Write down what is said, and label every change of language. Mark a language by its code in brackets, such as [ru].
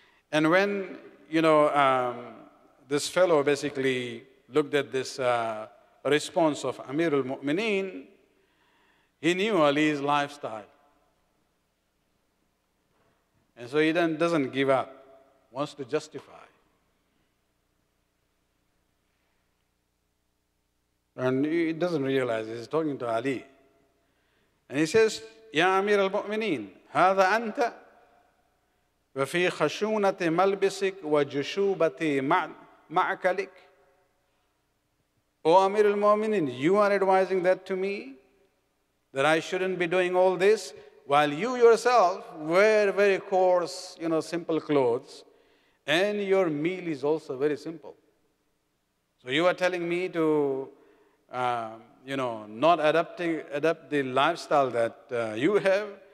[en] And when, you know, this fellow basically looked at this response of Amir al-Mu'mineen, he knew Ali's lifestyle. And so he then doesn't give up, wants to justify. And he doesn't realize he's talking to Ali. And he says, [ar] Ya Amir al-Mu'mineen, هذا أنت وفي خشونة ملبسك وجشوبة معكلك. [en] O Amir al-Mu'mineen, you are advising that to me, that I shouldn't be doing all this, while you yourself wear very coarse, you know, simple clothes, and your meal is also very simple. So you are telling me to not adapt the lifestyle that you have.